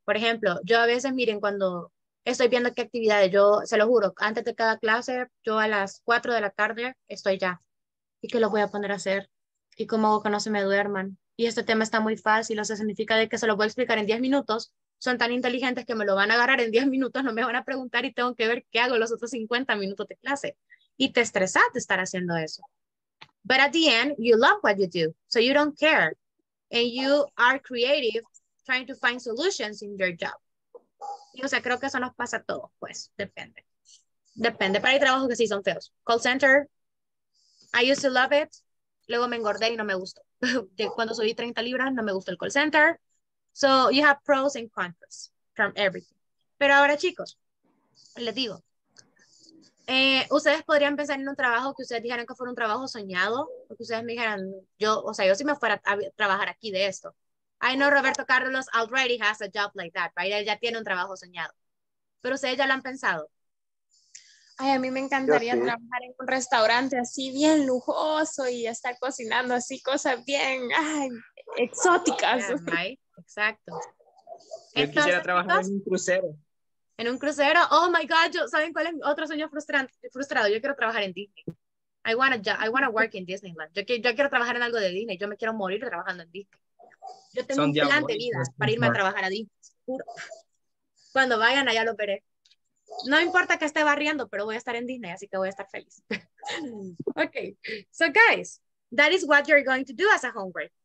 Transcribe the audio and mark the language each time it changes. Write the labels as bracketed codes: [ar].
[es] Por ejemplo, yo a veces, miren, cuando estoy viendo qué actividades, yo se lo juro, antes de cada clase, yo a las 4 de la tarde estoy ya. ¿Y qué los voy a poner a hacer? ¿Y cómo hago que no se me duerman? Y este tema está muy fácil, o sea, significa de que se lo voy a explicar en 10 minutos. Son tan inteligentes que me lo van a agarrar en 10 minutos, no me van a preguntar y tengo que ver qué hago los otros 50 minutos de clase. Y te estresas de estar haciendo eso. [en] But at the end, you love what you do, so you don't care. And you are creative, trying to find solutions in your job. [es] Y, o sea, creo que eso nos pasa a todos, pues, depende, pero hay trabajos que sí son feos. [en] Call center, I used to love it, [es] luego me engordé y no me gustó. Cuando subí 30 libras, no me gustó el call center. [en] So, you have pros and cons from everything. [es] Pero ahora, chicos, les digo, ustedes podrían pensar en un trabajo que ustedes dijeran que fuera un trabajo soñado, o que ustedes me dijeran, yo si me fuera a trabajar aquí de esto. [en] I know Roberto Carlos already has a job like that, right? [es] Él ya tiene un trabajo soñado. Pero ustedes ya lo han pensado. Ay, a mí me encantaría trabajar en un restaurante así bien lujoso y estar cocinando así cosas bien, ay, exóticas. [en] Yeah, right. [es] Exacto. Yo quisiera trabajar en un crucero. ¿En un crucero? [en] Oh my God, [es] ¿saben cuál es mi otro sueño frustrado? Yo quiero trabajar en Disney. [en] I wanna work in Disneyland. [es] Yo quiero trabajar en algo de Disney. Yo me quiero morir trabajando en Disney. Yo tengo un plan de vida para irme a trabajar a Disney. Cuando vayan allá lo veré. No importa que esté barriendo, pero voy a estar en Disney, así que voy a estar feliz. [en] Okay. So guys, that is what you're going to do as a homework.